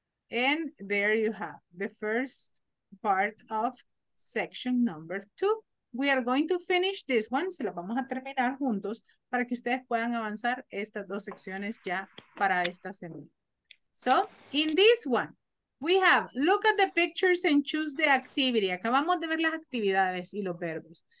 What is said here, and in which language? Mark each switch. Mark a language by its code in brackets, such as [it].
[en] And there you have the first part of section number 2. We are going to finish this one. [es] Se lo vamos a terminar juntos para que ustedes puedan avanzar estas dos secciones ya para esta semana. [en] So, in this one, we have, look at the pictures and choose the activity. [es] Acabamos de ver las actividades y los verbos.